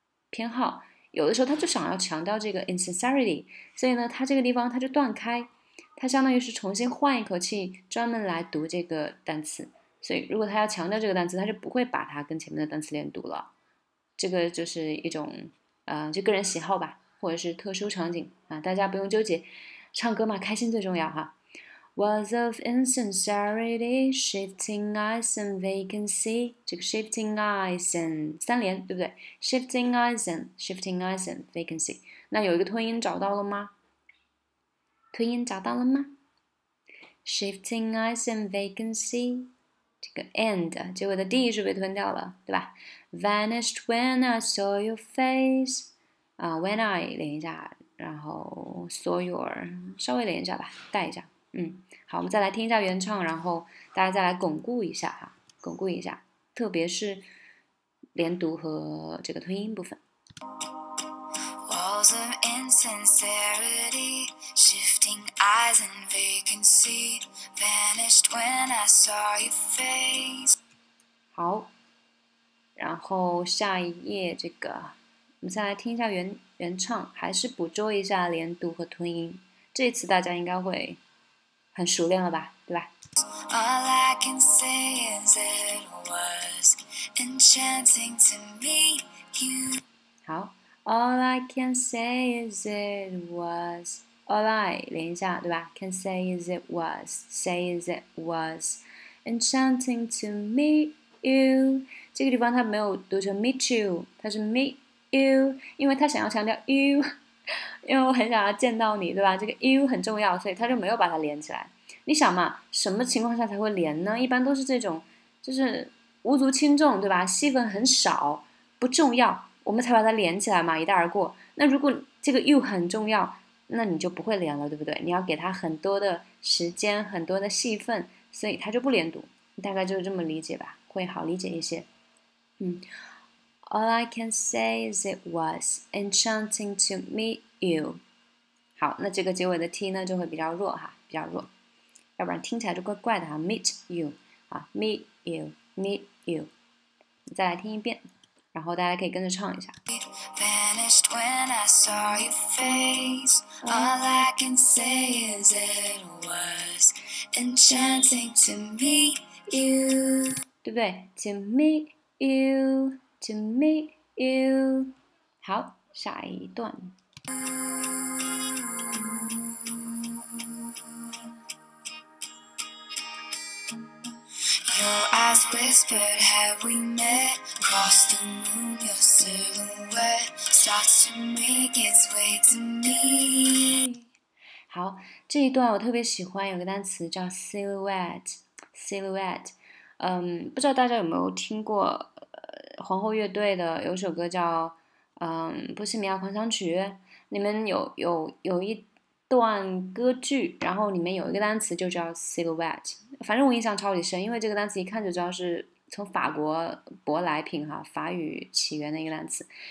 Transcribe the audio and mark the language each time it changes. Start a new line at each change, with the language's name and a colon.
Chinese: 偏好，有的时候他就想要强调这个 insincerity， 所以呢他这个地方他就断开，他相当于是重新换一口气专门来读这个单词，所以如果他要强调这个单词他就不会把它跟前面的单词连读了，这个就是一种就个人喜好吧，或者是特殊场景啊，大家不用纠结，唱歌嘛，开心最重要哈。
English: Was of insincerity, shifting eyes and vacancy.
Chinese: 这个
English: shifting eyes and
Chinese: 三连对不对
English: ？Shifting eyes and vacancy.
Chinese: 那有一个吞音找到了吗？吞音找到了吗
English: ？Shifting eyes and vacancy.
Chinese: 这个 and 结尾的 d 是被吞掉了，对吧 ？
English: Vanished when I saw your face.
Chinese: When I 连一下，然后 saw your 稍微连一下吧，带一下。嗯，好，我们再来听一下原唱，然后大家再来巩固一下哈，巩固一下，特别是连读和这个吞音部分。
English: Walls of insincerity, shifting eyes and vacancy, vanished when I saw your face.
Chinese: 好，然后下一页这个。我们再来听一下原唱，还是捕捉一下连读和吞音，这次大家应该会很熟练了吧，对吧？
English: All I can say is it was enchanting to meet you.
Chinese: 好，
English: All I can say is it was All I
Chinese: 连一下对吧，
English: Can say is it was Say is it was Enchanting to meet you.
Chinese: 这个地方它没有读成 meet you， 它是 meetYou， 因为他想要强调 you， 因为我很想要见到你，对吧？这个 you 很重要，所以他就没有把它连起来。你想嘛，什么情况下才会连呢？一般都是这种，就是无足轻重，对吧？戏份很少，不重要，我们才把它连起来嘛，一带而过。那如果这个 you 很重要，那你就不会连了，对不对？你要给他很多的时间，很多的戏份，所以他就不连读。大概就是这么理解吧，会好理解一些。
English: All I can say is it was enchanting to meet you.
Chinese: 好，那这个结尾的 T 呢就会比较弱哈，比较弱，要不然听起来就怪怪的哈。
English: Meet you, 啊 ，meet you, meet you.
Chinese: 再来听一遍，然后大家可以跟着唱一下。
English: Vanished when I saw your face. All I can say is it was enchanting to meet you.
Chinese: 对不对
English: ？To meet you. To meet you.
Chinese: 好，下一段。
English: Your eyes whispered, have we met? Across the moon, your silhouette starts to make its way to me.
Chinese: 好，这一段我特别喜欢，有个单词叫 silhouette, silhouette。不知道大家有没有听过，皇后乐队的有首歌叫波西米亚狂想曲，里面有一段歌剧，然后里面有一个单词就叫 silhouette， 反正我印象超级深，因为这个单词一看就知道是从法国舶来品哈，法语起源的一个单词。